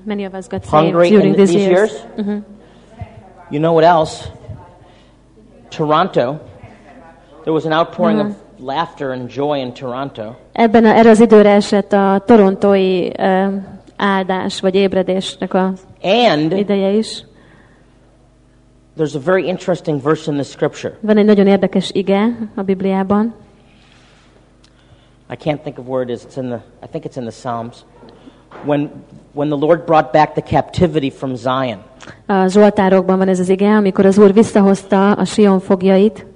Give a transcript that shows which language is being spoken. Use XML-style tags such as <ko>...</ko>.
<en>Many of us got saved during these years. You know what else? Toronto. There was an outpouring of laughter and joy in Toronto.</en> <hu>Ebben a, erre az időre esett a torontói áldás vagy ébredésnek a</hu> <en>and</en> <hu>ideje is.</hu> <en>There's a very interesting verse in the scripture.</en> <hu>Van egy nagyon érdekes ige a Bibliában.</hu> <en>I can't think of where it is. It's in the I think it's in the Psalms. When the Lord brought back the captivity from Zion.</en> <hu>A Zsoltárokban van ez az ige, amikor az Úr visszahozta a Sion foglyait.</hu>